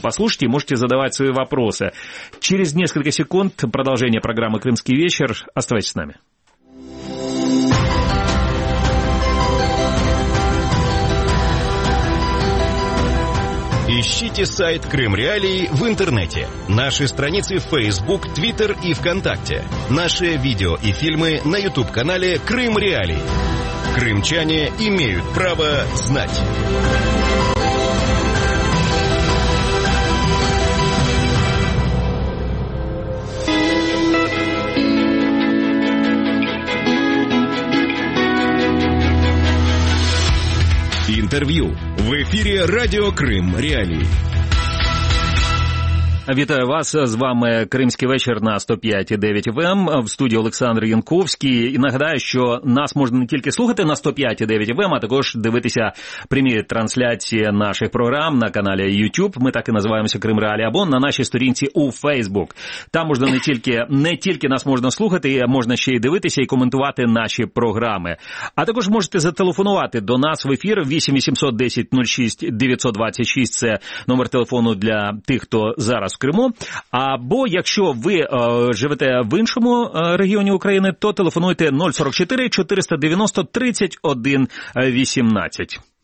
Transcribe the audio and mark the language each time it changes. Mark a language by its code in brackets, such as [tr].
[ru] Послушайте, можете задавать свои вопросы. Через несколько секунд продолжение программы «Крымский вечер». Оставайтесь с нами. Ищите сайт «Крым Реалии» в интернете. Наши страницы в Facebook, Twitter и ВКонтакте. Наши видео и фильмы на YouTube-канале «Крым Реалии». Крымчане имеют право знать. [uk] інтерв'ю в ефірі Радіо Крим Реалії. Вітаю вас, з вами Кримський вечір на 105.9 FM, в студії Олександр Янковський. І нагадаю, що нас можна не тільки слухати на 105.9 FM, а також дивитися прямі трансляції наших програм на каналі YouTube, ми так і називаємося Крим Реалі, або на нашій сторінці у Facebook. Там можна не тільки нас можна слухати, а можна ще й дивитися і коментувати наші програми. А також можете зателефонувати до нас в ефір 8 810 06 926, це номер телефону для тих, хто зараз в Криму, або якщо ви живете в іншому регіоні України, то телефонуйте 044-490-3118.